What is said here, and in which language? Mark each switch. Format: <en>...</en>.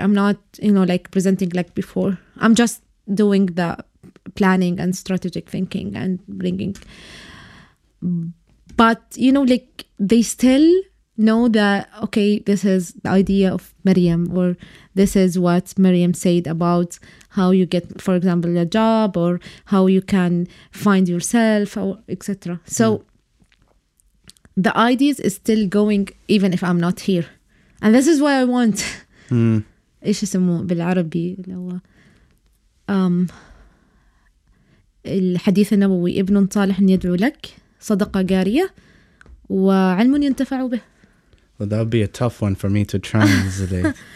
<en>I'm not, you know, like presenting like before. I'm just doing the planning and strategic thinking and bringing, but you know, like they still know that, okay, this is the idea of Maryam, or this is what Maryam said about how you get, for example, a job, or how you can find yourself, or etc. So the ideas is still going even if I'm not here, and this is what I want.</en> <ar>إيش يسموه بالعربي اللي هو الحديث النبوي ابن صالح يدعو لك صدقة جارية وعلم ينتفع به.</ar> <en>Well, that would be a tough one for me to translate.</en>